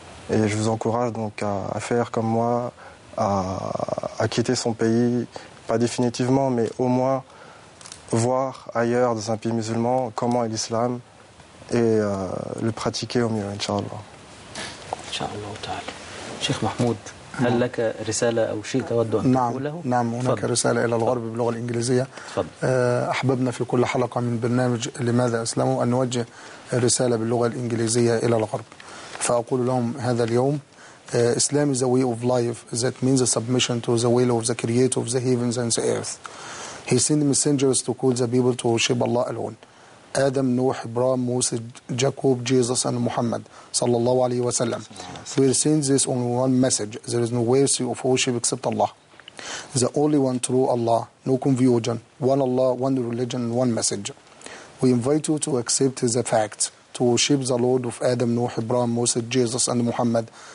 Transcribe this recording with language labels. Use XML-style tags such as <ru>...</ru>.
<fr>Et je vous encourage donc à faire comme moi, à quitter son pays, pas définitivement, mais au moins voir ailleurs dans un pays musulman comment est l'islam et le pratiquer au mieux, inshallah. Inshallah ta'ala. Cheikh Mahmoud.</fr> <ar>هل لك رسالة أو شيء تود أن تقوله؟ نعم هناك فضل. رسالة إلى الغرب باللغة الإنجليزية. فضل. أحببنا في كل حلقة من برنامج لماذا أسلموا أن نوجه رسالة باللغة الإنجليزية إلى الغرب، فأقول لهم هذا اليوم إسلام</ar> <en>is a way of life that means a submission to the will of the creator of the heavens and the earth. He sent messengers to call the people to worship Allah alone. آدم، نوح، إبراهيم، موسى، Jacob, Jesus and محمد</en> <ar>صلى الله عليه وسلم.</ar> <en>We are saying this only one message. There is no way of worship except Allah. The only one true Allah. No confusion. One Allah, one religion, one message. We invite you to accept the fact to worship the Lord of Adam, Noah, Abraham, Moses, Jesus, and Muhammad.</en>